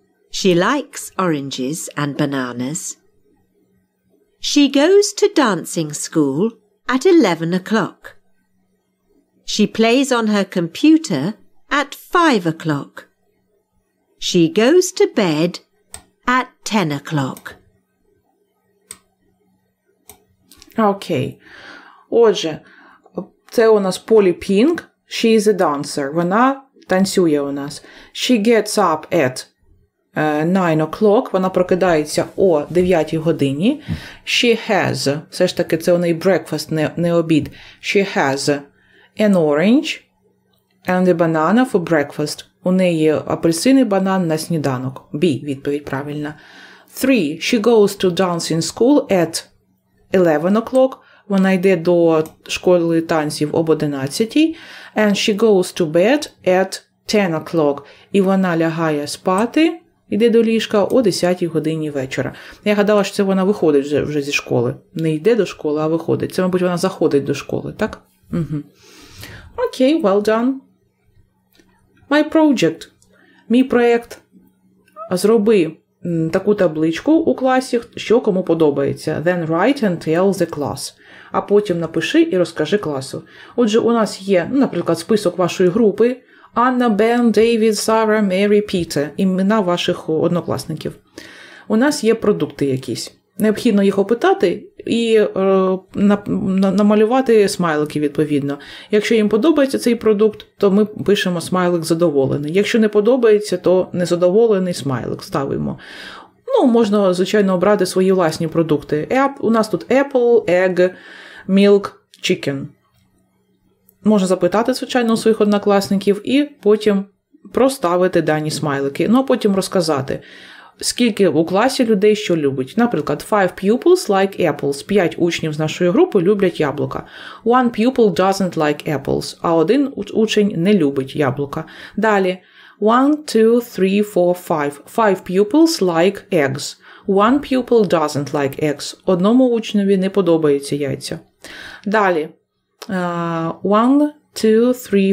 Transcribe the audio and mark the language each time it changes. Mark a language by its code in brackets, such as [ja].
[en] She likes oranges and bananas. She goes to dancing school at 11 o'clock. She plays on her computer at 5 o'clock. She goes to bed at 10 o'clock. [uk] Окей. Отже, це у нас Polly Pink. [en] She is a dancer. [uk] Вона танцює у нас. [en] She gets up at 9 o'clock. [uk] Вона прокидається о 9 годині. [en] She has, [uk] все ж таки, це у неї breakfast, не обід. [en] She has an orange and a banana for breakfast. [uk] У неї апельсин і банан на сніданок. B – відповідь правильна. 3. [en] She goes to dancing school at 11 o'clock. [uk] Вона йде до школи танців об 11. [en] And she goes to bed at 10 o'clock. [uk] І вона лягає спати, йде до ліжка о 10 годині вечора. Я гадала, що це вона виходить вже зі школи. Не йде до школи, а виходить. Це, мабуть, вона заходить до школи, так? [en] Окей, well done. My project. [uk] Мій проєкт. Зроби таку табличку у класі, що кому подобається. [en] Then write and tell the class. [uk] А потім напиши і розкажи класу. Отже, у нас є, наприклад, список вашої групи, Анна, Бен, Дейвід, Сара, Мері, Пітер. Імена ваших однокласників. У нас є продукти якісь. Необхідно їх опитати і намалювати смайлики відповідно. Якщо їм подобається цей продукт, то ми пишемо смайлик задоволений. Якщо не подобається, то незадоволений смайлик ставимо. Ну, можна, звичайно, обрати свої власні продукти. У нас тут [en] apple, egg, milk, chicken. [uk] Можна запитати, звичайно, у своїх однокласників і потім проставити дані смайлики. Ну, а потім розказати, скільки у класі людей що любить. Наприклад, [en] 5 pupils like apples. [uk] 5 учнів з нашої групи люблять яблука. [en] 1 pupil doesn't like apples. [uk] А один учень не любить яблука. Далі. [en] 1, 2, 3, 4, 5. 5 pupils like eggs. 1 pupil doesn't like eggs. [uk] Одному учневі не подобаються яйця. Далі. 1, 2, 3, 4.